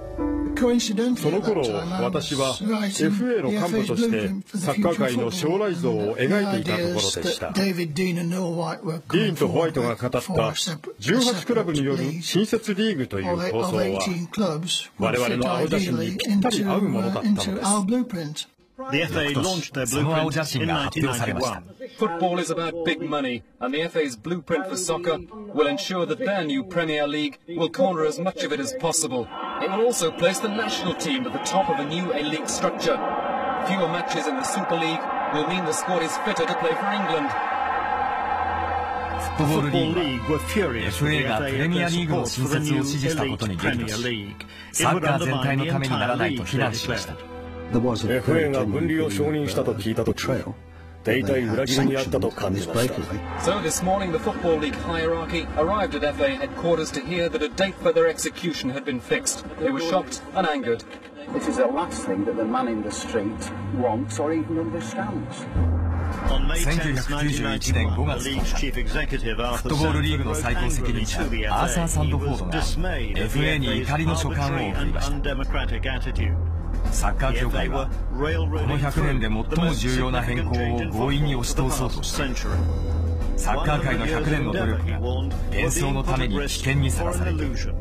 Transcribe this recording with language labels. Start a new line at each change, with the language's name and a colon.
Japanese: その頃私は FA の幹部としてサッカー界の将来像を描いていたところでした。ディーンとホワイトが語った18クラブによる新設リーグという構想は我々の青写真にぴったり合うものだったのです。
English: The FA launched their blueprint in 1991. Football is about big money, and the FA's blueprint for soccer will ensure that their new Premier League will corner as much of it as possible. It will also place the national team at the top of a new A-League structure. Fewer matches in the Super League will mean the squad is fitter to play for England.
Japanese: フットボールリーグは FA がプレミアリーグを新設を支持したことに激怒し、サッカー全体のためにならないと非難しました。 FA が分離を承認したと聞いたとき、大体裏切りにあったと感じました。
English: So this morning the Football League hierarchy arrived at FA headquarters to hear that a date for their execution had been fixed. They were shocked and angered. This is the last thing that the man in the street wants or even understands.
Japanese: 1991年5月10日、フットボールリーグの最高責任者、アーサー・サンドフォードが FA に怒りの書簡を送りました。サッカー協会は、この100年で最も重要な変更を強引に押し通そうとして、サッカー界の100年の努力が幻想のために危険にさらされている。